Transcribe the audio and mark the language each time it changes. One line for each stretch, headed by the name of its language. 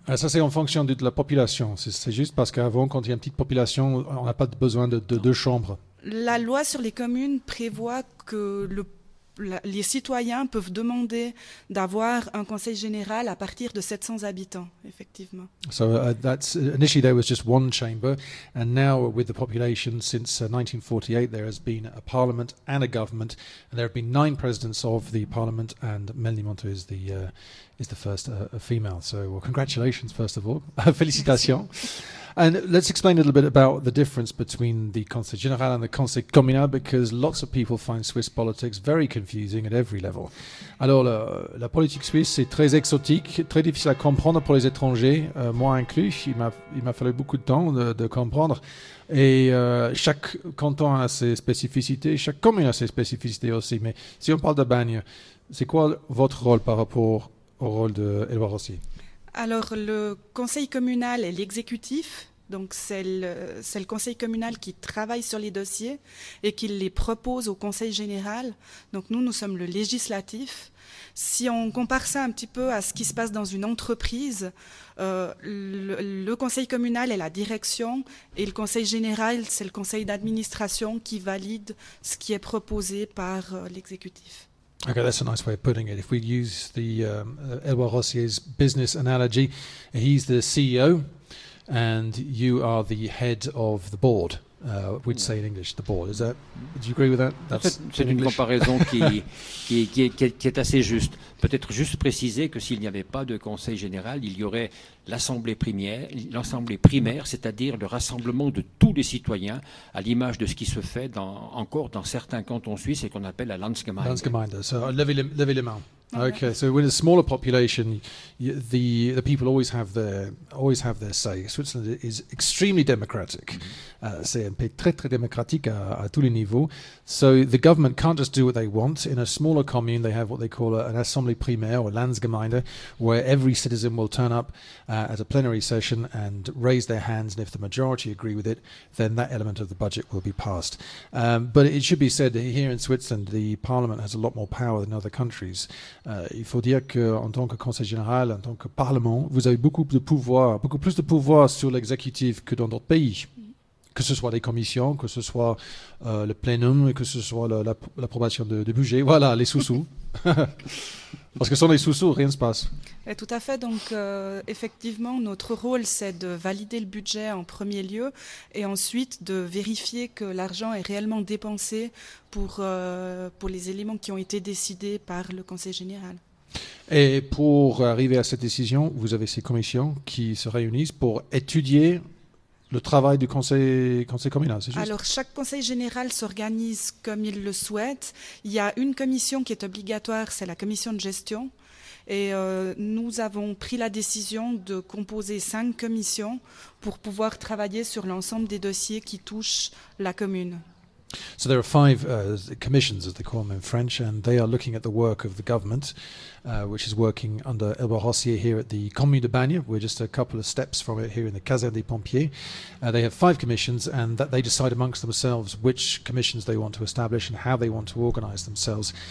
French: Ah, ça, c'est en fonction de la population. C'est juste parce qu'avant, quand il y a une petite population, on n'a pas besoin de deux chambres. La loi sur les communes prévoit que les citoyens peuvent demander d'avoir un conseil général à partir de 700 habitants, effectivement.
English: So that's initially there was just one chamber, and now with the population since 1948, there has been a parliament and a government, and there have been 9 presidents of the parliament, and Melanie Monto is the first female. So well, congratulations, first of all.
French: Félicitations.
English: And let's explain a little bit about the difference between the Conseil Général and the Conseil Communal, because lots of people find Swiss politics very confusing at every level.
French: Alors, la politique suisse est très exotique, très difficile à comprendre pour les étrangers, moi inclus. Il m'a fallu beaucoup de temps de comprendre. Et chaque canton a ses spécificités, chaque commune a ses spécificités aussi. Mais si on parle de Banya, c'est quoi votre rôle par rapport au rôle d'Éloi Rossi? Alors, le conseil communal est l'exécutif, donc c'est le conseil communal qui travaille sur les dossiers et qui les propose au conseil général. Donc nous sommes le législatif. Si on compare ça un petit peu à ce qui se passe dans une entreprise, le conseil communal est la direction et le conseil général, c'est le conseil d'administration qui valide ce qui est proposé par l'exécutif.
English: Okay, that's a nice way of putting it. If we use the Edouard Rossier's business analogy, he's the CEO and you are the head of the board. We'd say in English, the board. Do you agree with that?
French: C'est une comparaison qui est assez juste. Peut-être juste préciser que s'il n'y avait pas de conseil général, il y aurait l'assemblée primaire, c'est-à-dire le rassemblement de tous les citoyens, à l'image de ce qui se fait encore dans certains cantons suisses et qu'on appelle la Landsgemeinde. Landsgemeinde, so levez les mains.
English: Okay, so with a smaller population, the people always have their say. Switzerland is extremely democratic.
French: C'est un pays très, très démocratique à tous les niveaux.
English: So the government can't just do what they want. In a smaller commune, they have what they call an assembly primaire or Landsgemeinde, where every citizen will turn up at a plenary session and raise their hands, and if the majority agree with it, then that element of the budget will be passed. But it should be said that here in Switzerland, the parliament has a lot more power than other countries.
French: Il faut dire qu'en tant que conseil général, en tant que parlement, vous avez beaucoup de pouvoir, beaucoup plus de pouvoir sur l'exécutif que dans d'autres pays, que ce soit les commissions, que ce soit le plénum, que ce soit l'approbation du budget, voilà, les sous-sous. Parce que sans les sous-sous, rien ne se passe. Et tout à fait. Donc, effectivement, notre rôle, c'est de valider le budget en premier lieu et ensuite de vérifier que l'argent est réellement dépensé pour les éléments qui ont été décidés par le Conseil général. Et pour arriver à cette décision, vous avez ces commissions qui se réunissent pour étudier le travail du conseil communal, c'est juste? Alors, chaque conseil général s'organise comme il le souhaite. Il y a une commission qui est obligatoire, c'est la commission de gestion. Et nous avons pris la décision de composer 5 commissions pour pouvoir travailler sur l'ensemble des dossiers qui touchent la commune.
English: So there are 5 commissions, as they call them in French, and they are looking at the work of the government, which is working under Elba Rossier here at the Commune de Bagne. We're just a couple of steps from it here in the Caserne des Pompiers. They have 5 commissions, and that they decide amongst themselves which commissions they want to establish and how they want to organize themselves.